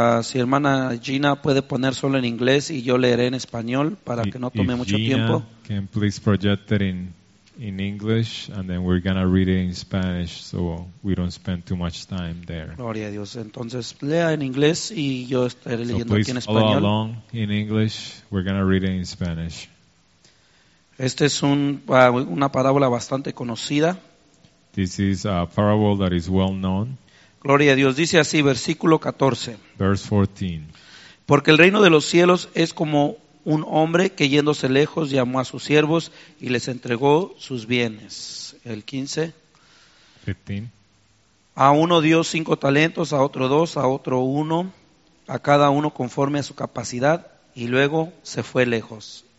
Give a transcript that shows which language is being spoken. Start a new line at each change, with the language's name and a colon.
Spanish: Si hermana Gina puede poner solo en inglés y yo leeré en español para que no tome mucho tiempo.
English: Gina, can please project it in English, and then we're gonna read it in Spanish, so we don't spend too much time there.
Spanish: Gloria a Dios. Entonces lea en inglés y yo estaré leyendo aquí en español.
English: Please follow along in English. We're gonna read it in Spanish.
Spanish: Este es una parábola bastante conocida.
English: This is a parable that is well known.
Spanish: Gloria a Dios. Dice así, versículo 14.
English: Verse 14.
Spanish: Porque el reino de los cielos es como un hombre que yéndose lejos llamó a sus siervos y les entregó sus bienes. El 15.
English: 15.
Spanish: A uno dio 5 talentos, a otro 2, a otro 1, a cada uno conforme a su capacidad, y luego se fue lejos.